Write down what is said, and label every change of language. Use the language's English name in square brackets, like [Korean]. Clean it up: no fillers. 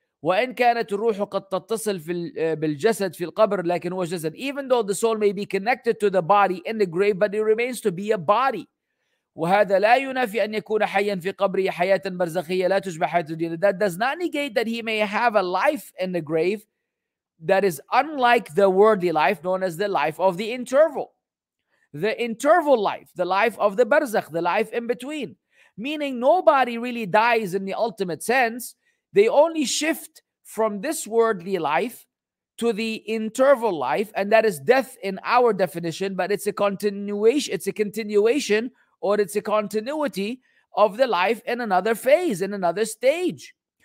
[Arabic] وإن كانت الروح قد تتصل في بالجسد في القبر, لكن هو جسد. [English] Even though the soul may be connected to the body in the grave, but it remains to be a body. [Arabic] وهذا لا ينافي أن يكون حيا في قبره حياة برزخية لا تشبه حياة الدنيا. [English] That does not negate that he may have a life in the grave that is unlike the worldly life known as the life of the interval. The interval life, the life of the barzakh, the life in between. Meaning nobody really dies in the ultimate sense. They only shift from this worldly life to the interval life, and that is death in our definition, but it's a continuity of the life in another phase, in another stage.